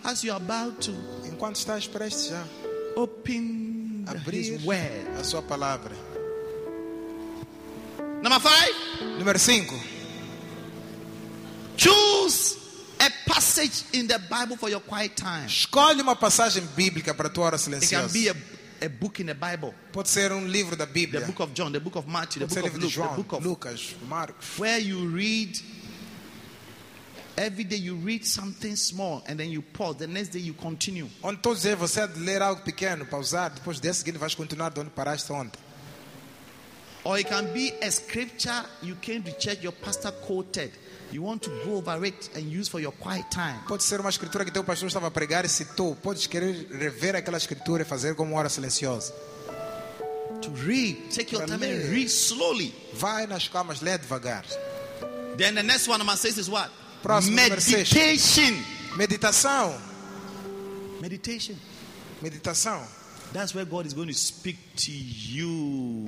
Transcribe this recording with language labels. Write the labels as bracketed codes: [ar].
[en] As you are about to. [pt] Enquanto estás prestes a [en] open [pt] abrir [en] His word. [pt] A sua palavra. [en] Number 5. [pt] Número 5. [en] Choose a passage in the Bible for your quiet time. [pt] Escolhe uma passagem bíblica para a tua hora silenciosa. [en] It can be a book in the Bible. [pt] Pode ser livro da Bíblia. [en] The book of John, the book of Matthew, [pt] Pode [en] the book of Luke, [pt] João, [en] the book of [pt] Lucas, Marcos. [en] Where you read every day, you read something small and then you pause. The next day you continue. [pt] Onde todos os dias você há de ler algo pequeno, pausar, depois do dia seguinte vais continuar de onde paraste ontem. [en] Or it can be a scripture you came to church, your pastor quoted. You want to go over it and use for your quiet time. [pt] Pode ser uma escritura que teu pastor estava a pregar e citou. Podes querer rever aquela escritura e fazer como hora silenciosa. [en] To read, take your time and read slowly. [pt] Vai nas calmas, lê devagar. [en] Then the next one I must say is what? [pt] Próximo, [en] meditation. [pt] Meditação. [en] Meditation. [pt] Meditação. [en] That's where God is going to speak to you.